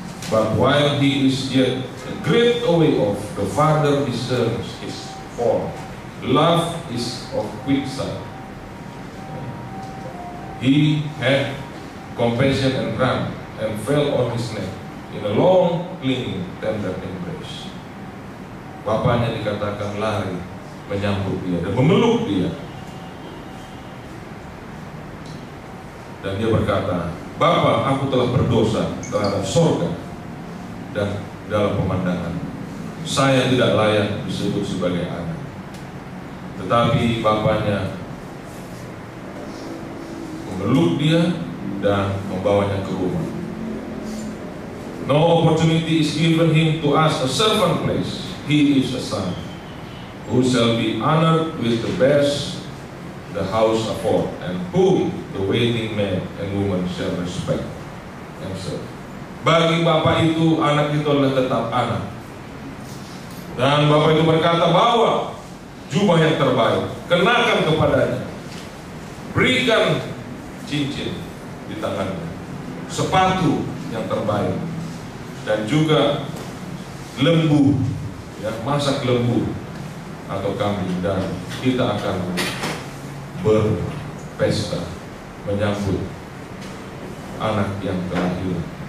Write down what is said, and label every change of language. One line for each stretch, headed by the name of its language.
English: But while he is yet a great way off, the Father deserves his fall. Love is of quick sight. He had compassion and ran and fell on his neck in a long, clinging, tender embrace.
Indonesian: Bapaknya dikatakan lari menyambut dia dan memeluk dia. Dan dia berkata, Bapa, aku telah berdosa terhadap sorga dan dalam pemandangan. Saya tidak layak disebut sebagai anak. Tetapi bapaknya memeluk dia dan membawanya ke rumah.
English: No opportunity is given him to ask a servant place. He is a son who shall be honored with the best the house afford, and whom the waiting man and woman shall respect and serve.
Indonesian: Bagi bapak itu, anak itu adalah tetap anak. Dan bapak itu berkata, bawa jubah yang terbaik, kenakan kepadanya, berikan cincin di tangannya, sepatu yang terbaik, dan juga lembu, ya, masak lembu atau kambing, dan kita akan berpesta menyambut anak yang terlahir.